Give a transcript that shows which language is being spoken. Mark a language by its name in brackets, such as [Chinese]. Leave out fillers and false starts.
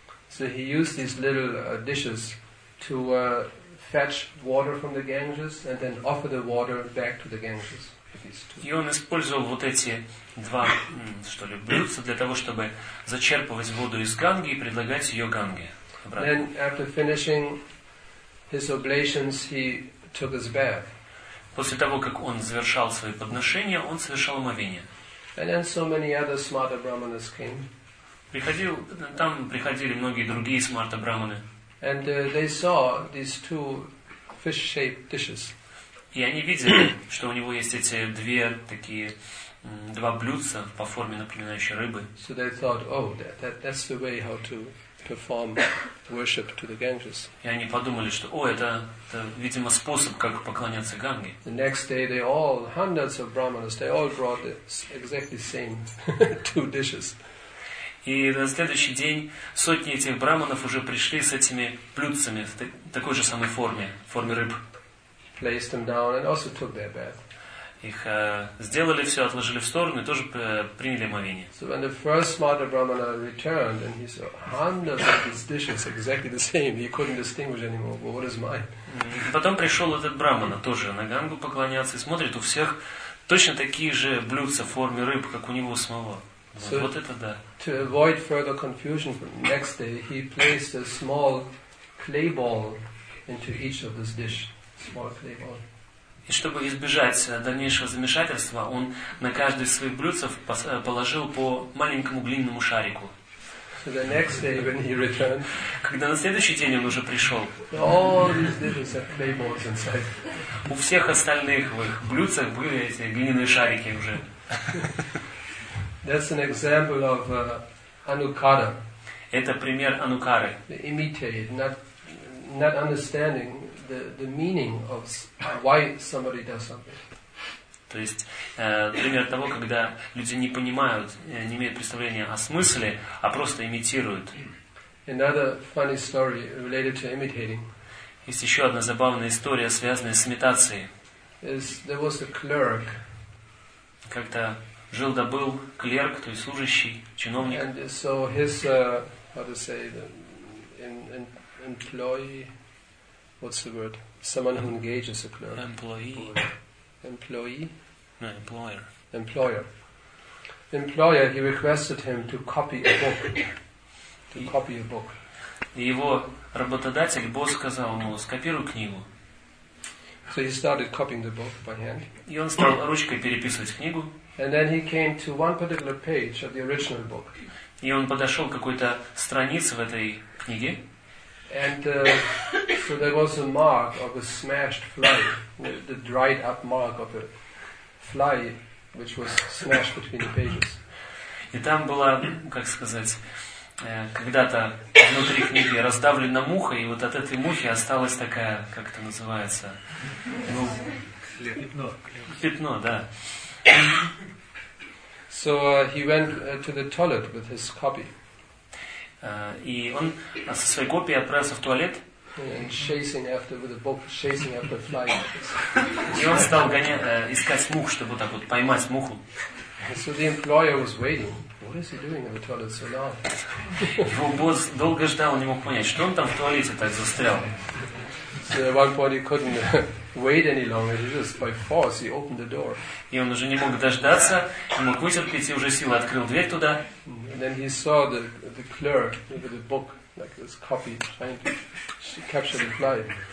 [English] So he used these little dishes to fetch water from the Ganges and then offer the water back to the Ganges. [Russian] И он использовал вот эти два, что ли, блюдца для того, чтобы зачерпывать воду из Ганги и предлагать ее Ганге. [English] Then after finishing his oblations, he took his bath. [Russian] После того, как он завершал свои подношения, он совершал омовение. [English] And then so many other smarter brahmanas came. [Russian] Там приходили многие другие смарта брахманы. [English] And they saw these two fish-shaped dishes. [Russian] И они видели, что у него есть эти две такие два блюдца по форме напоминающие рыбы. [English] So they thought, oh, that's the way how to perform worship to the Ganges. [Russian] И они подумали, что, о, это видимо способ, как поклоняться Ганге. [English] The next day, they all hundreds of brahmanas, they all brought the exactly same two dishes. [Russian] И на следующий день сотни этих брахманов уже пришли с этими блюдцами в такой же самой форме, форме рыб. [English] Placed them down and also took their bath. [Russian] Их сделали все, отложили в сторону и тоже приняли омовение. [English] So when the first smarter brahmana returned and he saw hundreds of these dishes exactly the same, he couldn't distinguish anymore. Well, what is mine? [Russian] Потом пришел этот брахмана тоже на Гангу поклоняться и смотрит, у всех точно такие же блюдца в форме рыб, как у него самого. [English] So, [Russian] вот это да. [English] To avoid further confusion for the next day, he placed a small clay ball into each of this dish. Small clay ball. [Russian] И чтобы избежать дальнейшего замешательства, он на каждый из своих блюдцев положил по маленькому глиняному шарику. [English] So the next day, when he returned, [Russian] когда на следующий день он уже пришел, [English] all these dishes have clay balls inside. [Russian] У всех остальных в их блюдцах были эти глиняные шарики уже. [English] That's an example of anukara. [Russian] Это пример анукары. [English] Imitate, not understanding the meaning of why somebody does something. [Russian] То есть пример того, когда люди не понимают, не имеют представления о смысле, а просто имитируют. [English] Another funny story related to imitating. [Russian] Есть еще одна забавная история, связанная с имитацией. [English] Is there was a clerk. [Russian] Как-то жил да был клерк, то есть служащий, чиновник. [English] And so his how to say the in employee, what's the word? Someone who engages a clerk. Employee. Employee? No, employer. Employer. employer, he requested him to copy a book. To copy a book. [Russian] Его работодатель, босс, сказал ему, скопируй книгу. [English] So he started copying the book by hand. [Russian] И он стал ручкой переписывать книгу. [English] And then he came to one particular page of the original book. [Russian] И он подошел к какой-то странице в этой книге. [English] And so there was a mark of a smashed fly, the dried up mark of a fly, which was smashed between the pages. [Russian] И там была, как сказать, когда-то внутри книги раздавлена муха, и вот от этой мухи осталась такая, как это называется, ну, пятно, да. [English] So he went to the toilet with his copy. [Russian] И он со своей копией отправился в туалет. [English] And chasing after with a book, chasing after flies. [Russian] И он стал искать мух, чтобы так вот поймать муху. [English] So the employer was waiting. What is he doing in the toilet so long? [Russian] Его босс долго ждал, не мог понять, что он там в туалете так застрял. [English] So at one point he couldn't wait any longer. He just by force he opened the door. [Russian] И он уже не мог дождаться, не мог вытерпеть, и уже силой открыл дверь туда. [English] And then he saw the clerk with the book, like this copy, trying to capture the fly.